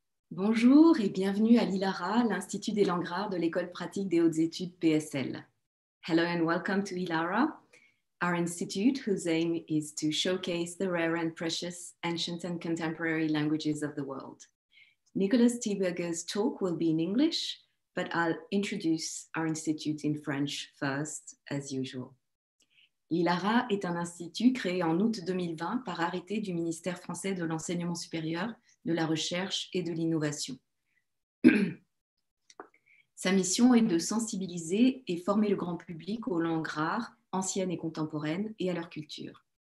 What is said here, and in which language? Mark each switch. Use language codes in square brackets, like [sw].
[fr] Bonjour et bienvenue à l'ILARA, l'Institut des langues rares de l'École pratique des hautes études PSL. [en] Hello and welcome to ILARA, our institute whose aim is to showcase the rare and precious ancient and contemporary languages of the world. Nicolas Thieberger's talk will be in English, but I'll introduce our institute in French first, as usual. [fr] L'ILARA est un institut créé en août 2020 par arrêté du ministère français de l'enseignement supérieur, de la recherche et de l'innovation. Sa mission est de sensibiliser et former le grand public aux langues rares, anciennes et contemporaines, et à leur culture.